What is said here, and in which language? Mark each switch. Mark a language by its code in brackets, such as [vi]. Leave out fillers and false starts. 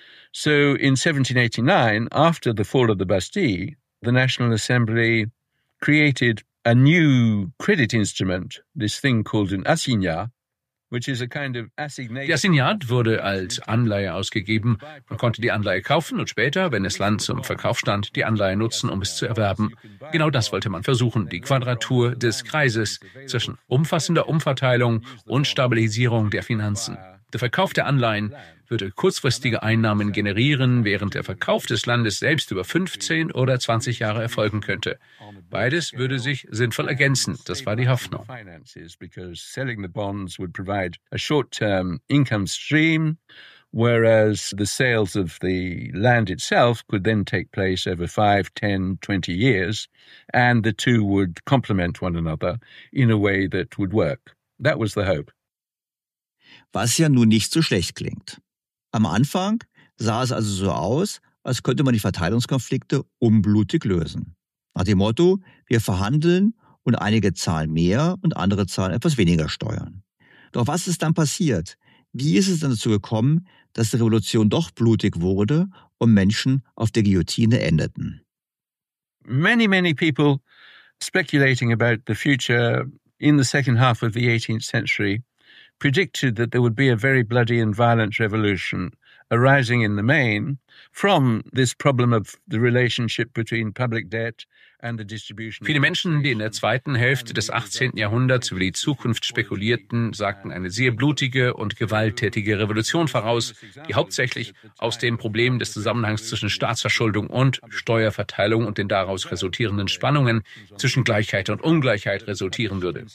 [en] So in 1789, after the fall of the Bastille, the National Assembly created a new credit instrument, this thing called an assignat, which is a kind of assignation. [de] Die Assignat wurde als Anleihe ausgegeben. Man konnte die Anleihe kaufen und später, wenn das Land zum Verkauf stand, die Anleihe nutzen, um es zu erwerben. Genau das wollte man versuchen, die Quadratur des Kreises zwischen umfassender Umverteilung und Stabilisierung der Finanzen. Der Verkauf der Anleihen würde kurzfristige Einnahmen generieren, während der Verkauf des Landes selbst über 15 oder 20 Jahre erfolgen könnte. Beides würde sich sinnvoll ergänzen. Das war die Hoffnung. [en] Because selling the bonds would provide a short-term income stream, whereas the sales of the land itself could then take place over 5, 10, 20 years, and the two would complement one another in a way that would work. That was the hope. [de] Was ja nun nicht so schlecht klingt. Am Anfang sah es also so aus, als könnte man die Verteilungskonflikte unblutig lösen. Nach dem Motto, wir verhandeln und einige zahlen mehr und andere zahlen etwas weniger Steuern. Doch was ist dann passiert? Wie ist es dann dazu gekommen, dass die Revolution doch blutig wurde und Menschen auf der Guillotine endeten? [en] Many, many people speculating about the future in the second half of the 18th century predicted that there would be a very bloody and violent revolution arising in the main from this problem of the relationship between public debt and the distribution. [de] Viele Menschen, die in der zweiten Hälfte des 18. Jahrhunderts über die Zukunft spekulierten, sagten eine sehr blutige und gewalttätige Revolution voraus, die hauptsächlich aus dem Problem des Zusammenhangs zwischen Staatsverschuldung und Steuerverteilung und den daraus resultierenden Spannungen zwischen Gleichheit und Ungleichheit resultieren würde.